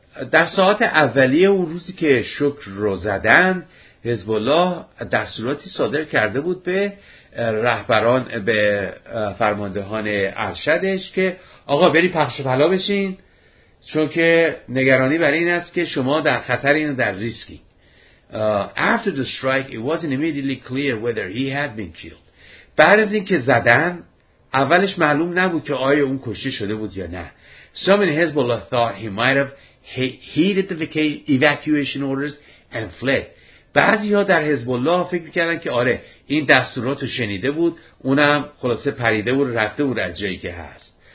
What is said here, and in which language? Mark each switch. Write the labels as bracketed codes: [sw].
[fa] در ساعت اولیه اون روزی که شکر رو زدن، حزب الله دستوراتی صادر کرده بود به رهبران، به فرماندهان ارشدش که آقا بری پخش و پلا بشین، چون که نگرانی برای این است که شما در خطر این در ریسکی. [en] After the strike it wasn't immediately clear whether he had been killed. [fa] بعد از این که زدن اولش معلوم نبود که آیا اون کشته شده بود یا نه. [en] Some in Hezbollah thought he might have heeded the evacuation orders and fled. [fa] بعضی ها در حزب الله فکر میکردن که آره این دستورات رو شنیده بود، اونم خلاصه پریده بود رفته بود از جایی که هست.